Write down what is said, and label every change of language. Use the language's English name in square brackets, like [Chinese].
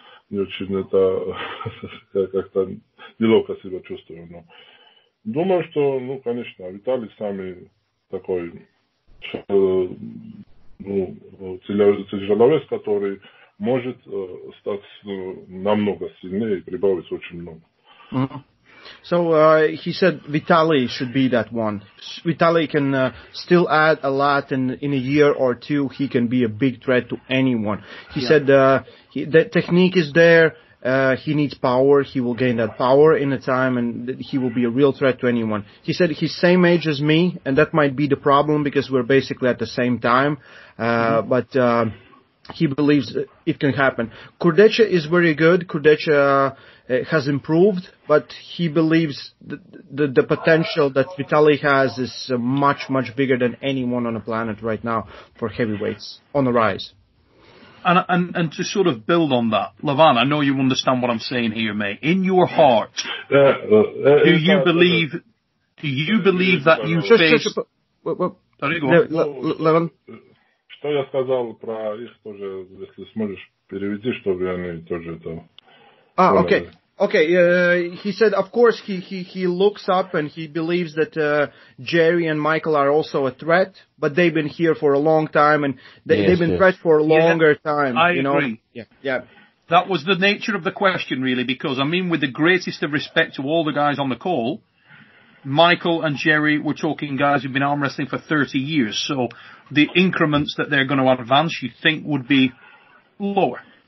[Russian] Не очень это, я как-то неловко себя чувствую, но думаю, что, ну, конечно, Виталий самый такой, тяжеловес, который может стать намного сильнее и прибавить очень много. Mm-hmm. [English] So he said Vitaly should be that one. Vitaly can still add a lot, and in a year or two, he can be a big threat to anyone. He said the technique is there. He needs power. He will gain that power in a time, and he will be a real threat to anyone. He said he's same age as me, and that might be the problem because we're basically at the same time. But he believes it can happen. Kurdecha is very good. Kurdecha has improved, but he believes the potential that Vitaly has is much, much bigger than anyone on the planet right now for heavyweights on the rise. And to sort of build on that, Levan, I know you understand what I'm saying here, mate. In your heart, do you believe that you face... Levan? [Russian] Что я сказал про их тоже, если сможешь перевести, чтобы они тоже это... Окей. [English] Okay, he said, of course, he looks up and he believes that Jerry and Michael are also a threat, but they've been here for a long time and they've been threats for a longer time. I agree. Yeah. That was the nature of the question, really, because, I mean, with the greatest of respect to all the guys on the call, Michael and Jerry were talking guys who've been arm wrestling for 30 years, so the increments that they're going to advance, you think, would be lower.